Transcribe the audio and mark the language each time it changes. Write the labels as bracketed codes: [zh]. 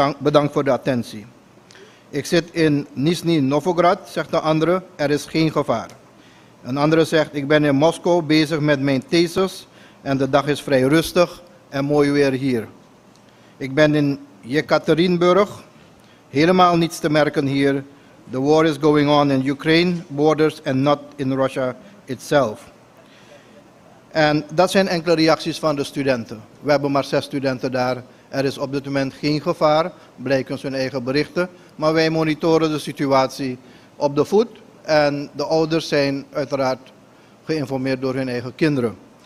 [nl] Bedankt voor de attentie. Ik zit in Nizhny Novgorod, zegt de andere. Er is geen gevaar. Een andere zegt, ik ben in Moskou bezig met mijn thesis en de dag is vrij rustig en mooi weer hier. Ik ben in Yekaterinburg, helemaal niets te merken hier. [en] The war is going on in Ukraine, borders and not in Russia itself. [nl] En dat zijn enkele reacties van de studenten. We hebben maar 6 studenten daar. Er is op dit moment geen gevaar, blijkens hun eigen berichten. Maar wij monitoren de situatie op de voet. En de ouders zijn uiteraard geïnformeerd door hun eigen kinderen.